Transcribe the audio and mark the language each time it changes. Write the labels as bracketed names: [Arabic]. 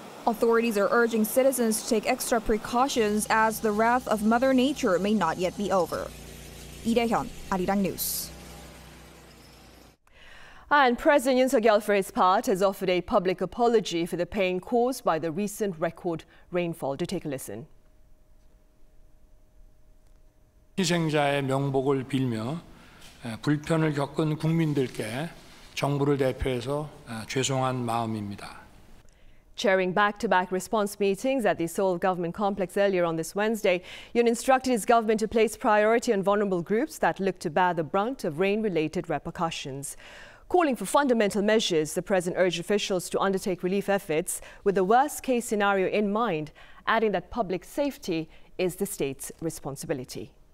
[English] Authorities are urging citizens to take extra precautions as the wrath of Mother Nature may not yet be over. Lee Dae-hyun, Arirang News. And President Yoon Suk-yeol, for his part, has offered a public apology for the pain caused by the recent record rainfall. Do take a listen. [Korean] 희생자의 명복을 빌며 불편을 겪은 국민들께 정부를 대표해서 죄송한 마음입니다. [English] Chairing back-to-back response meetings at the Seoul government complex earlier on this Wednesday, Yoon instructed his government to place priority on vulnerable groups that look to bear the brunt of rain-related repercussions. Calling for fundamental measures, the president urged officials to undertake relief efforts with the worst-case scenario in mind, adding that public safety is the state's responsibility.